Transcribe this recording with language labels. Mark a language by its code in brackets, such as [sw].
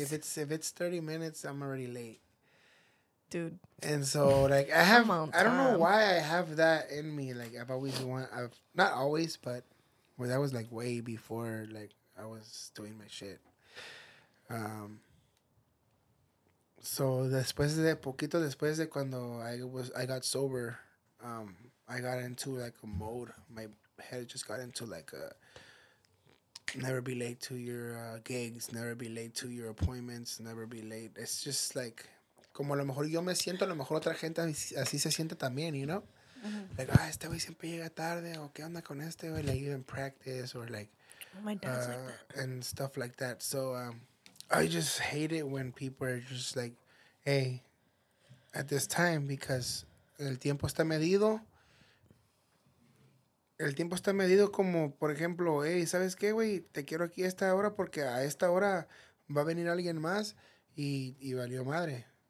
[en] If it's 30 minutes, I'm already late. Dude. And so like I have I don't know why I have that in me. Like I've not always, but well, that was like way before like I was doing my shit. So [es] después de cuando [en] I got sober, I got into like a mode. My head just got into like a never be late to your gigs, never be late to your appointments, never be late. It's just like, [es] como a lo mejor yo me siento, a lo mejor otra gente así se siente también, you know? Mm-hmm. Like, ah, este güey siempre llega tarde, o qué onda con este güey, [en] like even practice, or like, my dad's like that. And stuff like that. So I just hate it when people are just like, hey, at this time, because [es] el tiempo está medido. El tiempo está medido como, por ejemplo, hey, ¿sabes qué, güey? Te quiero aquí a esta hora porque a esta hora va a venir alguien más y valió madre.